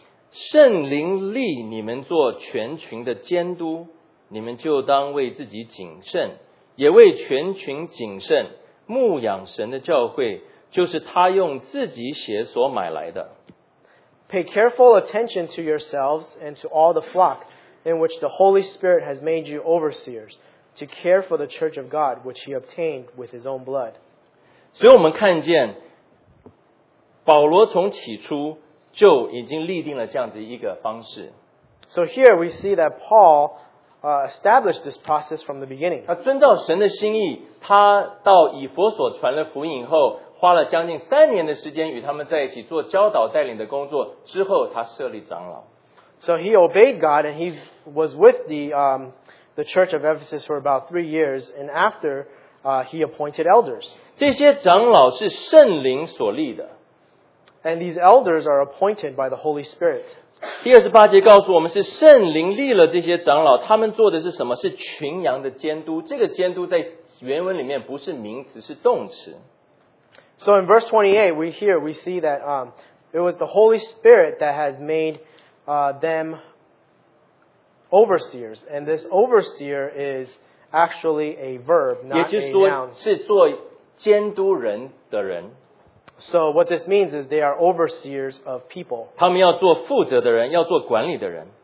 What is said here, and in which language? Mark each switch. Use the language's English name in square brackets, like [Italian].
[Chinese] 圣灵立你们做全群的监督，你们就当为自己谨慎，也为全群谨慎，牧养神的教会，就是他用自己血所买来的。 [English] Pay careful attention to yourselves and to all the flock in which the Holy Spirit has made you overseers to care for the church of God which he obtained with his own blood. [Chinese] 所以我们看见保罗从起初就已经立定了这样的一个方式。 [English] So here we see that Paul established this process from the beginning. [Chinese] 他遵照神的心意，他到以弗所传了福音以后，花了将近三年的时间与他们在一起做教导带领的工作，之后他设立长老。 [English] So he obeyed God and he was with the church of Ephesus for about 3 years and after he appointed elders. [Chinese] 这些长老是圣灵所立的。 [English] And these elders are appointed by the Holy Spirit. [Chinese] 第二十八节告诉我们是圣灵立了这些长老，他们做的是什么？是群羊的监督。这个监督在原文里面不是名词，是动词。 [English] So in verse 28, we see that it was the Holy Spirit that has made them overseers. And this overseer is actually a verb, not a noun. [Chinese] 也就是说是做监督人的人。 [English] So what this means is they are overseers of people. [Chinese] 他们要做负责的人，要做管理的人。